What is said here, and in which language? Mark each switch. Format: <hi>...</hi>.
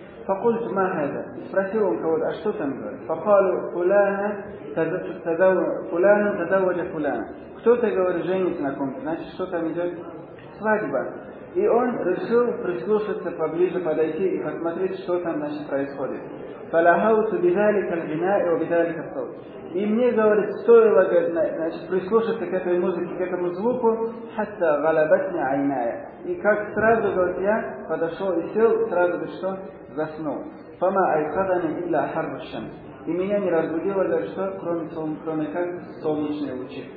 <ar>فقلت ما هذا؟</ar> <ru>спросил он кого-то, а что там говорит?</ru> <ar>فقالوا فلان تزوج فلان.</ar> <ru>Кто-то говорит, женится на ком-то, значит, что там идет? Свадьба. И он решил прислушаться поближе, подойти и посмотреть, что там, значит, происходит.</ru> <ar>فلهوت بذلك الغناء وبذلك الصوت.</ar> <ru>И мне, говорит, стоило, значит, прислушаться к этой музыке, к этому звуку,</ru> <ar>حتى غلبتني عيناي.</ar> <ru>И как сразу, говорит, я подошел и сел, сразу, говорит, что? Заснул.</ru> <ar>Фама айхадана илля харбушан.</ar> <ru>И меня не разбудило даже что, кроме как солнечные лучи.</ru>